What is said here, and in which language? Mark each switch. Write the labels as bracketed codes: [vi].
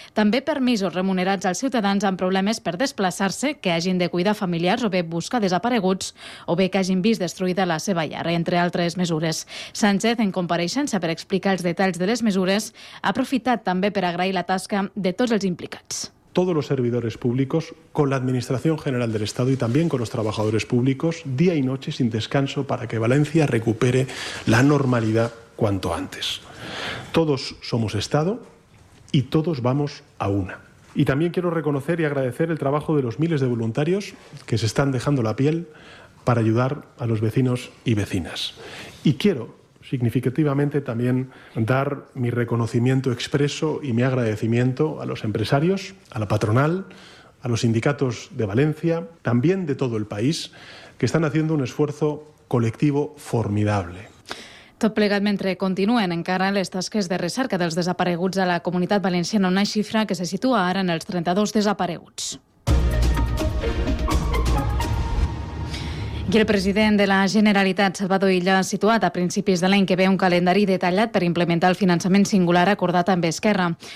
[ca] També permisos remunerats als ciutadans amb problemes per desplaçar-se, que hagin de cuidar familiars o bé buscar desapareguts, o bé que hagin vist destruïda la seva llar, entre altres mesures. Sánchez, en compareixença per explicar els detalls de les mesures, ha aprofitat també per agrair la tasca de tots els implicats. [es] Todos los servidores públicos, con la Administración General del Estado y también con los trabajadores públicos, día y noche sin descanso para que Valencia recupere la normalidad cuanto antes. Todos somos Estado, y todos vamos a una. Y también quiero reconocer y agradecer el trabajo de los miles de voluntarios que se están dejando la piel para ayudar a los vecinos y vecinas. Y quiero significativamente también dar mi reconocimiento expreso y mi agradecimiento a los empresarios, a la patronal, a los sindicatos de Valencia, también de todo el país, que están haciendo un esfuerzo colectivo formidable. [ca] Tot plegat mentre continuen encara les tasques de recerca dels desapareguts a la Comunitat Valenciana, una xifra que se situa ara en els 32 desapareguts. I el president de la Generalitat, Salvador Illa, ha situat a principis de l'any que ve un calendari detallat per implementar el finançament singular acordat amb Esquerra.